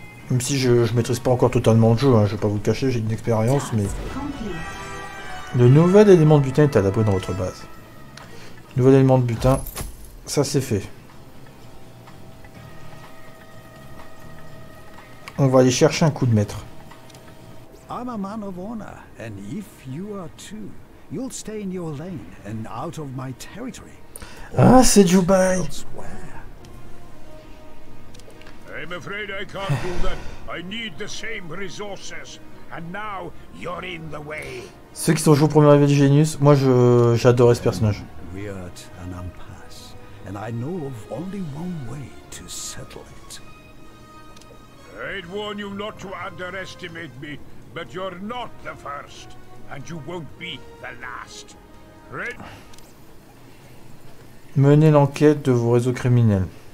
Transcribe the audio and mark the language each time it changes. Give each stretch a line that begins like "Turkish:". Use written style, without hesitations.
French: Même si je maîtrise pas encore totalement le jeu, hein, je vais pas vous le cacher, j'ai une expérience, mais. Le nouvel élément de butin est à la bonne dans votre base. Nouvel élément de butin, ça c'est fait. On va aller chercher un coup de maître.
English: I'm a man of honor, and if you are too, you'll stay in your lane and out of my territory.
French: Ah, c'est Jubai.
English: I'm afraid I can't do that. I need the same resources, and now you're in the way.
French: Ceux qui sont joués au premier level de Genius, moi j'adore ce personnage.
English: We are at an impasse, and I know of only one way to settle it. I'd warn you not to underestimate me, but you're not the first, and you won't be the last.
French: Menez l'enquête de vos réseaux criminels.